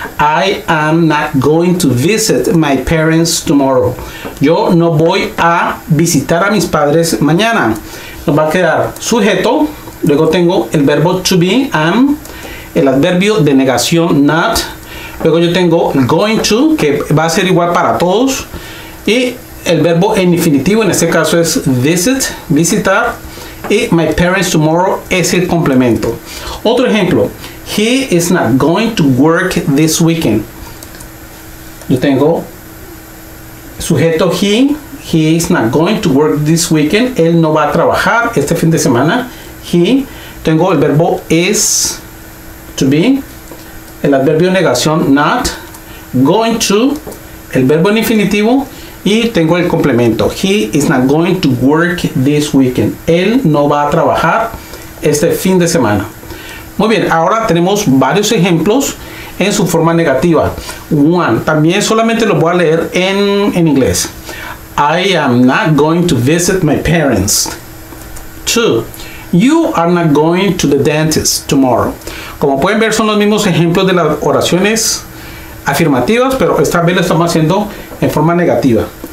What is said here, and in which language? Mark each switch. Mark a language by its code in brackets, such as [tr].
[en] I am not going to visit my parents tomorrow. [es] Yo no voy a visitar a mis padres mañana. Nos va a quedar sujeto. Luego tengo el verbo to be, am. El adverbio de negación, not. Luego yo tengo going to, que va a ser igual para todos. Y el verbo en infinitivo, en este caso es visit, visitar. Y my parents tomorrow es el complemento. Otro ejemplo. [en] He is not going to work this weekend. [es] Yo tengo sujeto he. [en] He is not going to work this weekend. [es] Él no va a trabajar este fin de semana. He. Tengo el verbo is to be. El adverbio de negación not. Going to. El verbo en infinitivo. Y tengo el complemento. [en] He is not going to work this weekend. [es] Él no va a trabajar este fin de semana. Muy bien, ahora tenemos varios ejemplos en su forma negativa. One, también solamente lo voy a leer en inglés. [en] I am not going to visit my parents. Two, you are not going to the dentist tomorrow. [es] Como pueden ver, son los mismos ejemplos de las oraciones afirmativas, pero esta vez lo estamos haciendo en forma negativa.